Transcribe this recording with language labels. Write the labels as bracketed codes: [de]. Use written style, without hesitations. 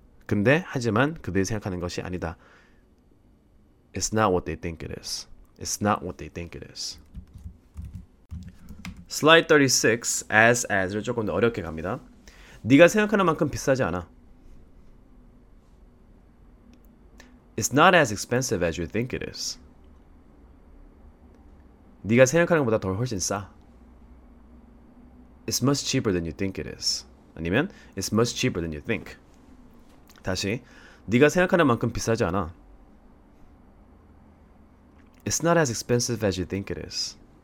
[ko] 근데 하지만 그들이 생각하는 것이 아니다. [en] It's not what they think it is. It's not what they think it is. Slide 36. [ko] As를 조금 더 어렵게 갑니다. 네가 생각하는 만큼 비싸지 않아. [en] It's not as expensive as you think it is. [ko] 네가 생각하는 것보다 더 훨씬 싸. [en] It's much cheaper than you think it is. [ko] 아니면 [en] It's much cheaper than you think. [ko] 다시 네가 생각하는 만큼 비싸지 않아. [en] It's not as expensive as you think it is.